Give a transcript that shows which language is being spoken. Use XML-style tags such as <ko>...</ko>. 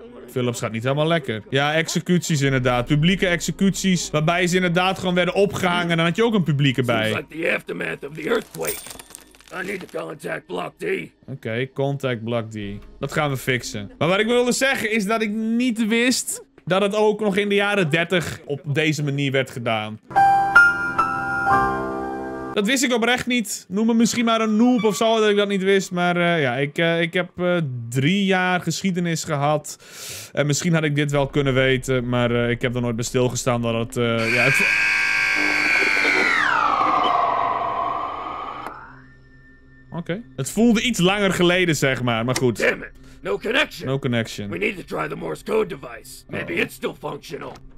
<nl>Phillips gaat niet helemaal lekker. Ja, executies inderdaad. Publieke executies. Waarbij ze inderdaad gewoon werden opgehangen. Dan had je ook een publiek erbij.</nl> <en>Seems like the aftermath of the earthquake. I need to contact Block D.</en> <nl>Oké,</nl> <en>contact Block D.</en> <nl>Dat gaan we fixen. Maar wat ik wilde zeggen is dat ik niet wist dat het ook nog in de jaren 30 op deze manier werd gedaan. Dat wist ik oprecht niet. Noem me misschien maar een noob of zo dat ik dat niet wist. Maar ja, ik heb 3 jaar geschiedenis gehad. En misschien had ik dit wel kunnen weten. Maar ik heb er nooit bij stilgestaan dat het... Oké. Het voelde iets langer geleden, zeg maar. Maar goed.</nl> <en>Damn it. No connection. No connection. We need to try the Morse code device. Maybe it's still functional.</en>